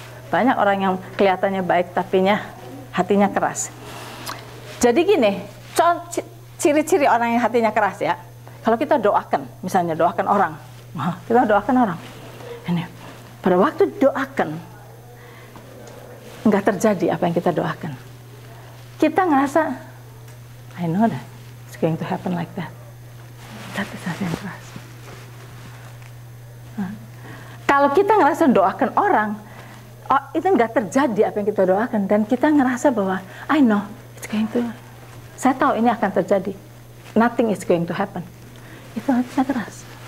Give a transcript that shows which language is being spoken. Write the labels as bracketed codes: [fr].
[id] Banyak orang yang kelihatannya baik tapi hatinya keras. Jadi gini, ciri-ciri orang yang hatinya keras ya. Kalau kita doakan, misalnya doakan orang. Kita doakan orang. Ini pada waktu doakan enggak terjadi apa yang kita doakan. Kita ngerasa [en] I know that it's going to happen like that. [id] Tapi hati yang keras. Kalau kita ngerasa doakan orang, itu enggak terjadi apa yang kita doakan dan kita ngerasa bahwa [en] I know it's going to. [id] Saya tahu ini akan terjadi. [en] Nothing is going to happen. [id] Itu hatinya keras.